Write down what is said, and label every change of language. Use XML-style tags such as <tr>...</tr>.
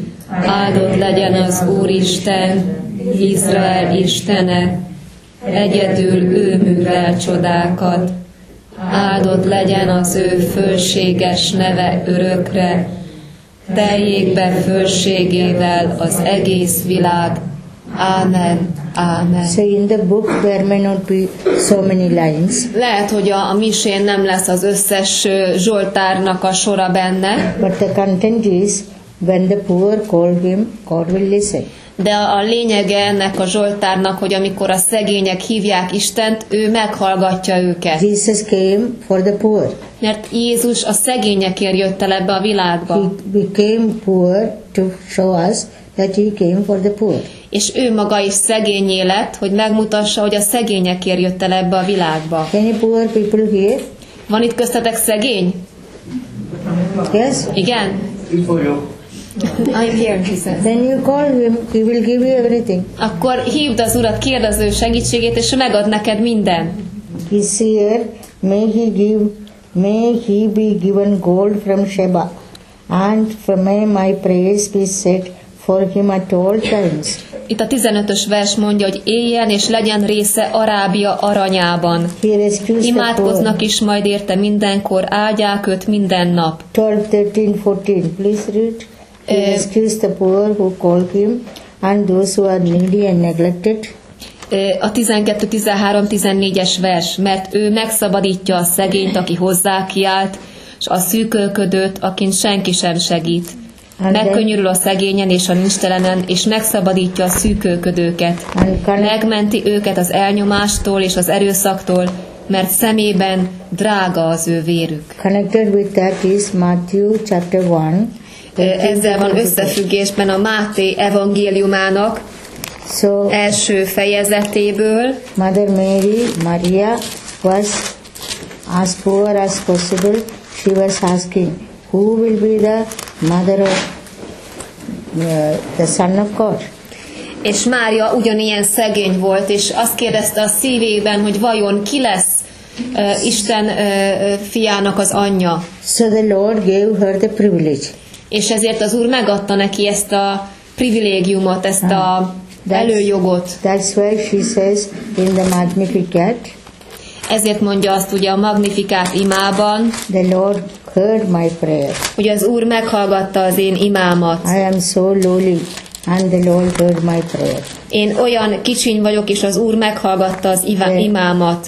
<hu>Áldott legyen az Úristen, Izrael Istene, egyedül ő művel csodákat. Áldott legyen az ő fölséges neve örökre, teljék be fölségével az egész világ. Amen. Amen.</hu> <en>So in the book there may not be so many lines.</en> <hu>Lehet, hogy a misén nem lesz az összes zsoltárnak a sora benne.</hu> <en>But the content is, when the poor call him, God will listen.</en> <hu>De a lényege ennek a zsoltárnak, hogy amikor a szegények hívják Istent, ő meghallgatja őket.</hu> <en>Jesus came for the poor.</en> <hu>Mert Jézus a szegényekért jött el ebbe a világba.</hu> <en>He came poor to show us that he came for the poor.</en> <hu>És ő maga is szegény élet, hogy megmutassa, hogy a szegényekért jött el ebbe a világba.</hu> <en>Any poor people here?</en> <hu>Van itt köztetek szegény?</hu> <en>Yes.</en> <hu>Igen.</hu> <en>I'm here, he says. Then you call him, he will give you everything.</en> <hu>Akkor hívd az Urat, kérd az ő segítségét, és ő megad neked minden.</hu> <en>He's here, may he be given gold from Sheba, and may my prayers be said for him at all times.</en> <hu>Itt a 15-ös vers mondja, hogy éljen és legyen része Arábia aranyában. Imádkoznak is majd érte mindenkor, áldják őt minden nap.</hu> <en>12, 13, 14, please read. He rescues the poor who call him and those who are needy and neglected.</en> <hu>A 12, 13, 14-es vers, mert ő megszabadítja a szegényt, aki hozzá kiállt, s a szűkölködőt, akin senki sem segít. Megkönnyörül a szegényen és a nincstelenen, és megszabadítja a szűkölködőket. Megmenti őket az elnyomástól és az erőszaktól, mert szemében drága az ő vérük.</hu> <en>Connected with that is Matthew chapter 1.</en> <hu>Ezzel van összefüggésben a Máté evangéliumának első fejezetéből.</hu> <en>Mother Mary, Maria was as poor as possible. She was asking, who will be the mother of the Son of God?</en> <hu>És Mária ugyanilyen szegény volt, és azt kérdezte a szívében, hogy vajon ki lesz Isten fiának az anyja.</hu> <en>So the Lord gave her the privilege.</en> <hu>És ezért az Úr megadta neki ezt a privilégiumot, ezt a előjogot.</hu> <en>That's why she says in the Magnificat.</en> <hu>Ezért mondja azt ugye a Magnificat imában.</hu> <en>The Lord heard my prayer.</en> <hu>Hogy az Úr meghallgatta az én imámat.</hu> <en>I am so lowly and the Lord heard my prayer.</en> <hu>Én olyan kicsiny vagyok, és az Úr meghallgatta az imámat.</hu>